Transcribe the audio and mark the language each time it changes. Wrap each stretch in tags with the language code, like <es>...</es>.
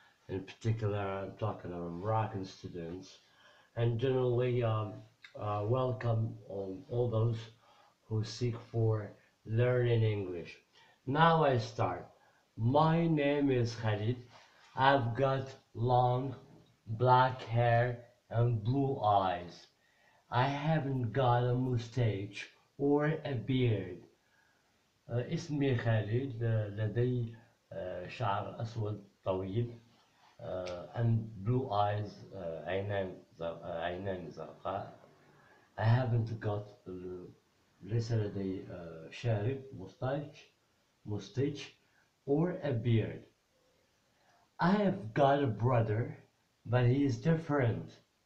<en>In particular, I'm talking about American students. And generally, welcome all those who seek for learning English. Now I start. My name is Khalid. I've got long black hair and blue eyes. I haven't got a mustache or a beard.</en> <ar>اسمي خالد لدي شعر أسود طويل</ar> <en>and blue eyes</en> <ar>عينان زرقاء.</ar> <en>I haven't got</en> <ar>ليس لدي شارب مستيج</ar> <en>or a beard. I have got a brother but he is different.</en>